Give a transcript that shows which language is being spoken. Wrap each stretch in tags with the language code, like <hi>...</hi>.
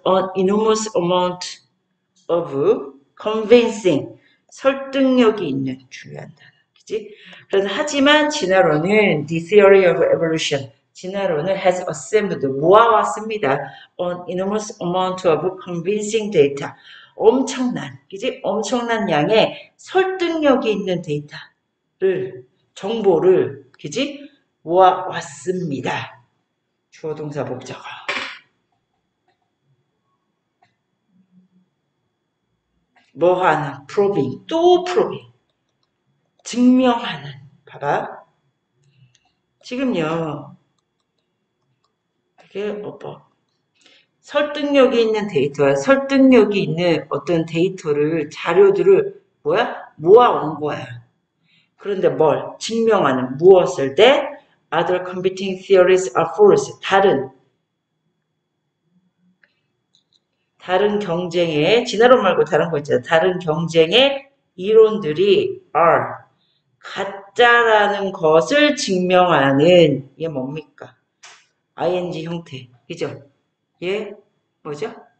<en>An enormous amount of convincing.</en> <ko>설득력이 있는 중요한 단어. 그지? 그래서 하지만 진화론은</ko> <en>The theory of evolution.</en> <ko>진화론은</ko> <en>has assembled.</en> <ko>모아왔습니다.</ko> <en>An enormous amount of convincing data.</en> <ko>엄청난, 그지? 엄청난 양의 설득력이 있는 데이터를, 정보를, 그지? 모아왔습니다. 주어 동사 목적어. 뭐 하는? probing, 또 probing. 증명하는. 봐봐. 지금요, 이게 뭐? 설득력이 있는 데이터야. 설득력이 있는 어떤 데이터를, 자료들을, 뭐야? 모아온 거야. 그런데 뭘? 증명하는. 무엇을 대?</ko> <en>Other competing theories are false.</en> <ko>다른 경쟁의, 진화론 말고 다른 거 있잖아. 다른 경쟁의 이론들이</ko> <en>are.</en> <ko>가짜라는 것을 증명하는. 이게 뭡니까? ing 형태. 그죠? 예? 뭐죠?</ko>